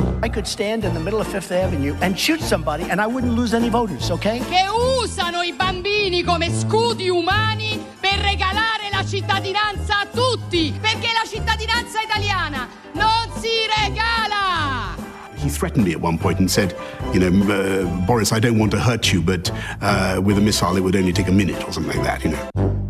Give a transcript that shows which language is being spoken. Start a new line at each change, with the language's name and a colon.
English: Could stand in the middle of Fifth Avenue and shoot somebody and I wouldn't lose any voters, okay?
Italian: Che usano I bambini come scudi umani per regalare la cittadinanza a tutti, perché la cittadinanza italiana non si regala!
English: He threatened me at one point and said, you know, Boris, I don't want to hurt you, but with a missile it would only take a minute or something like that, you know.